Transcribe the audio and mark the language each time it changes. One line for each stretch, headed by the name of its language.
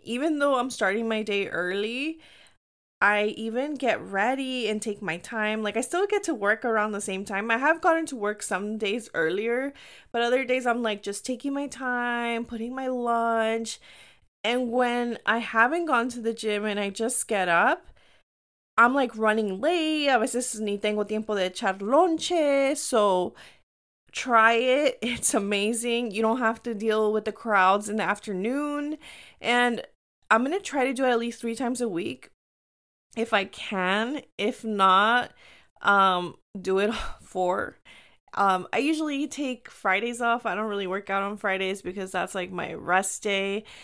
English: Even though I'm starting my day early, I even get ready and take my time. Like, I still get to work around the same time. I have gotten to work some days earlier, but other days I'm like just taking my time, putting my lunch. And when I haven't gone to the gym and I just get up, I'm like running late.
Spanish: A veces ni tengo tiempo de echar lonche.
English: So try it. It's amazing. You don't have to deal with the crowds in the afternoon. And I'm going to try to do it at least 3 times a week. If I can, if not, do it 4. I usually take Fridays off. I don't really work out on Fridays because that's like my rest day.